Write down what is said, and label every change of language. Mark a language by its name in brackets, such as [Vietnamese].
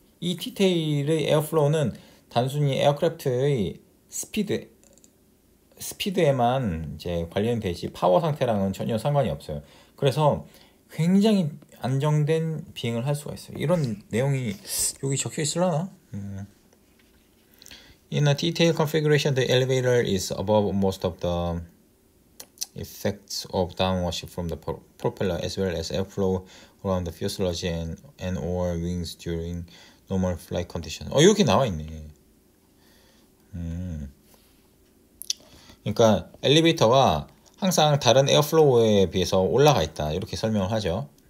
[Korean] 이 티테일의 에어플로우는 단순히 에어크래프트의 스피드에만 이제 관련되지 파워 상태랑은 전혀 상관이 없어요. 그래서 굉장히 안정된 비행을 할 수가 있어요. 이런 내용이 여기 적혀 있으려나? [English] In a detailed configuration, the elevator is above most of the effects of downward shift from the propeller as well as airflow around the fuselage and or wings during normal flight conditions. [Korean] 어, 여기 나와 있네. 그러니까 엘리베이터가 항상 다른 에어플로우에 비해서 올라가 있다 이렇게 설명을 하죠.